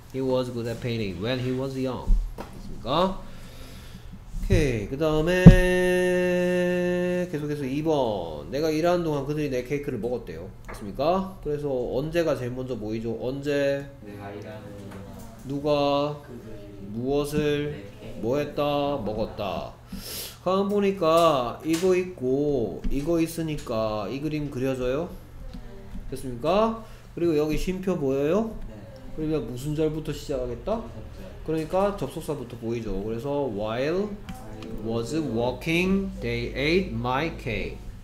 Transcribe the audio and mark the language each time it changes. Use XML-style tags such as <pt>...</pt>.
<en>He was good at painting when he was young.</en> <ko>됐습니까? 오케이. 그 다음에 계속해서 2번 내가 일하는 동안 그들이 내 케이크를 먹었대요. 됐습니까? 그래서 언제가 제일 먼저 보이죠? 언제? 내가 일하는 누가 무엇을 뭐했다? 먹었다. 다음 보니까 이거 있고 이거 있으니까 이 그림 그려져요? 됐습니까? 그리고 여기 쉼표 보여요? 그러니까 무슨 절부터 시작하겠다? 그러니까 접속사부터 보이죠. 그래서</ko> <en>while was walking they ate my cake.</en>